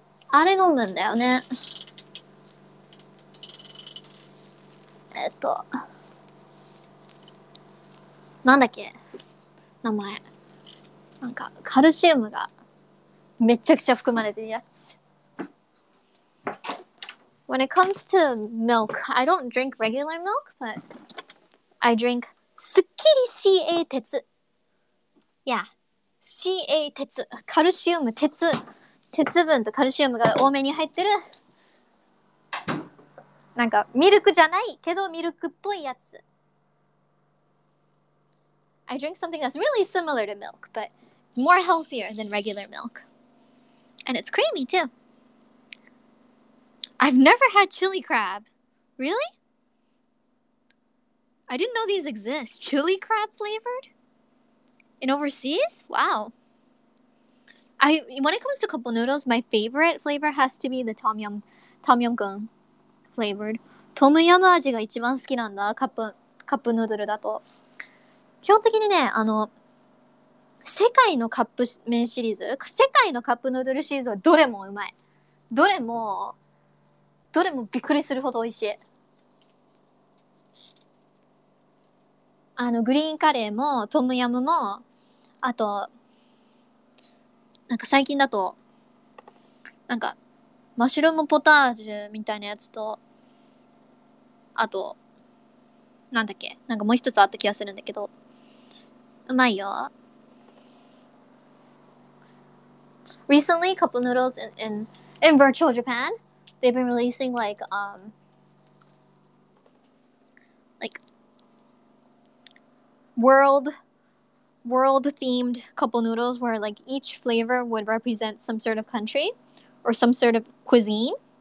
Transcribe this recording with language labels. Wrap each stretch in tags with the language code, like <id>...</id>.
<ja>あれ飲むんだよね。なんだっけ名前。なんか、カルシウムがめちゃくちゃ含まれてるやつ。</ja> <en>When it comes to milk, I don't drink regular milk, but I drink すっきり CA 鉄。</en> <ja>Yeah. CA 鉄。カルシウム、鉄。鉄分とカルシウムが多めに入ってる。なんか、ミルクじゃないけどミルクっぽいやつ。</ja> <en>I drink something that's really similar to milk, but it's more healthier than regular milk. And it's creamy, too. I've never had chili crab. Really? I didn't know these exist. Chili crab flavored? In overseas? Wow. When it comes to cup noodles, my favorite flavor has to be the tom yum goong flavored.</en> <ja>Tom yum 味が一番好きなんだ、カップヌードルだと。基本的にね、あの、世界のカップ麺シリーズ、世界のカップヌードルシリーズはどれもうまい。どれもびっくりするほど美味しい。あの、グリーンカレーも、トムヤムも、あと、なんか最近だと、なんか、マッシュルームポタージュみたいなやつと、あと、なんだっけ、なんかもう一つあった気がするんだけど、うまいよ。</ja> <en>Recently, cup noodles in virtual Japan, they've been releasing like world themed cup noodles, where like each flavor would represent some sort of country or some sort of cuisine.</en>